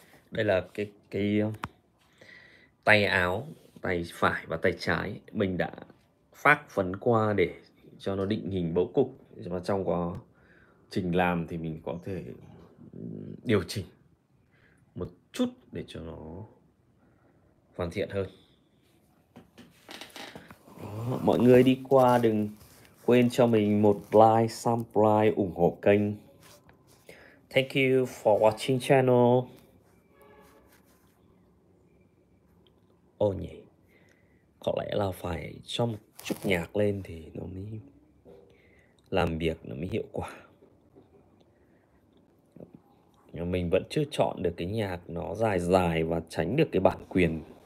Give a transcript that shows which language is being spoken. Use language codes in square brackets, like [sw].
[vi] đây là cái tay áo, tay phải và tay trái mình đã phác phấn qua để cho nó định hình bố cục, và trong quá trình làm thì mình có thể điều chỉnh một chút để cho nó hoàn thiện hơn. Đó, mọi người đi qua đừng quên cho mình một like, subscribe, ủng hộ kênh. [en] Thank you for watching channel. [vi] Ô nhỉ, có lẽ là phải cho một chút nhạc lên thì nó mới làm việc, nó mới hiệu quả. Nhưng mình vẫn chưa chọn được cái nhạc nó dài dài và tránh được cái bản quyền.